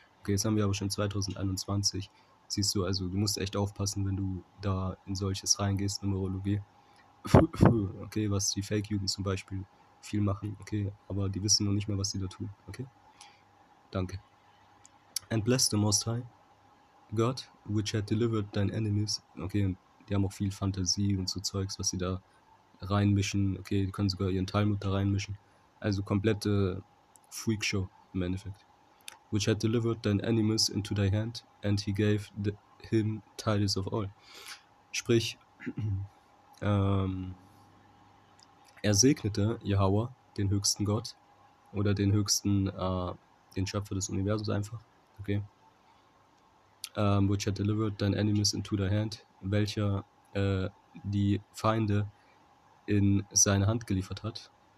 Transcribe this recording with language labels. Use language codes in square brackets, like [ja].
[de] Okay, jetzt haben wir aber schon 2021. Siehst du, also du musst echt aufpassen, wenn du da in solches reingehst, Numerologie. Okay, was die Fake-Juden zum Beispiel viel machen, okay, aber die wissen noch nicht mal, was sie da tun, okay? Danke. [en] And bless the Most High, God, which had delivered thine enemies. [de] Okay, und die haben auch viel Fantasie und so Zeugs, was sie da reinmischen, okay, die können sogar ihren Talmud da reinmischen. Also komplette Freakshow im Endeffekt. [en] Which had delivered thine enemies into thy hand, and he gave him tithes of all. [de] Sprich, er segnete Yahweh, den höchsten Gott, oder den höchsten, den Schöpfer des Universums einfach. [en] Okay. Which had delivered thine enemies into thy hand, [de] welcher die Feinde in seine Hand geliefert hat.